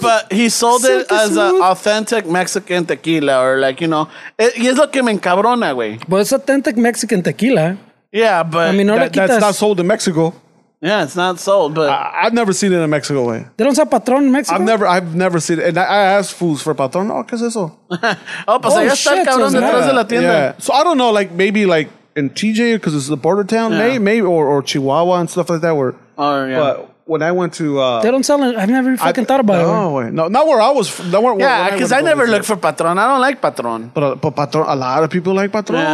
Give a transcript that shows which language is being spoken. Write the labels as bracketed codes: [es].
[en] But he sold it as an authentic Mexican tequila or like, you know. [es] Y es lo que me encabrona, güey. [en] But it's authentic Mexican tequila. Yeah, but I mean, that's not sold in Mexico. Yeah, it's not sold, but. I've never seen it in Mexico, güey. They don't sell Patron in Mexico? I've never seen it. And I asked fools for Patron. [es] Oh, ¿qué es eso? Oh, pues ahí está el cabrón detrás de la tienda. [en] Yeah. So I don't know, like maybe like in TJ because it's the border town. Yeah. Maybe or Chihuahua and stuff like that. Where, but. When I went to... they don't sell it. I've never fucking thought about it. No, not where I was. Because I never look for Patron. I don't like Patron. But Patron, a lot of people like Patron. Yeah.